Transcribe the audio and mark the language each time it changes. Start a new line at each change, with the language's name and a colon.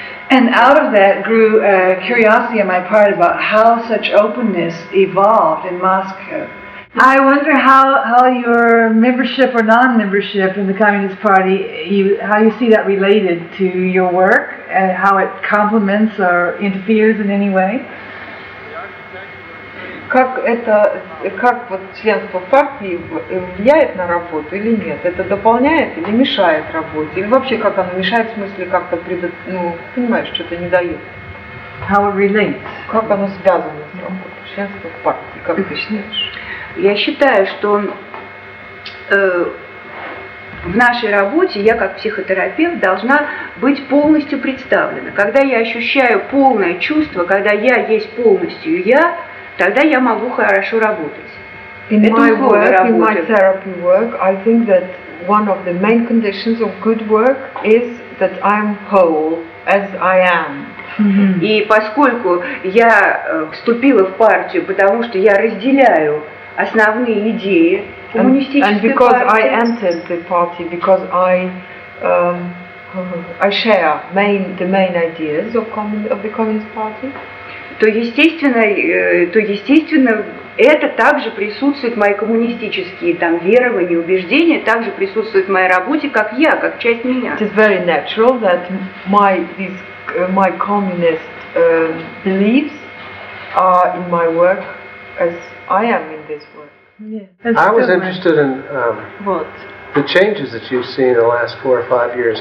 English: And out of that grew a curiosity on my part about how such openness evolved in Moscow. I wonder how your membership or non-membership in the Communist Party, how you see that related to your work, and how it complements or interferes in any way.
Russian: Как это, как вот членство в партии влияет на работу или нет? Это дополняет или мешает работе? Или вообще как оно мешает, в смысле как-то понимаешь, что-то не дает?
English: How it relates?
Russian: Как оно связано с работой? Членство в партии, как ты считаешь? Я считаю, что в нашей работе я как психотерапевт должна быть полностью представлена. Когда я ощущаю полное чувство, когда я есть полностью я, тогда я могу хорошо работать.
English: In my work, in my therapy work, I think that one of the main conditions of good work is that I'm whole as I am.
Russian: И поскольку я вступила в партию, потому что я разделяю основные идеи коммунистической партии.
English: And because I entered the party because I share the main ideas of the Communist Party.
Russian: То естественно, это также присутствует, мои коммунистические там верования, убеждения, также присутствуют в моей работе, как я, как часть меня.
English: It is very natural that my communist beliefs are in my work as I am in this work. Yeah. I was interested in the changes that you've seen in the last 4 or 5 years.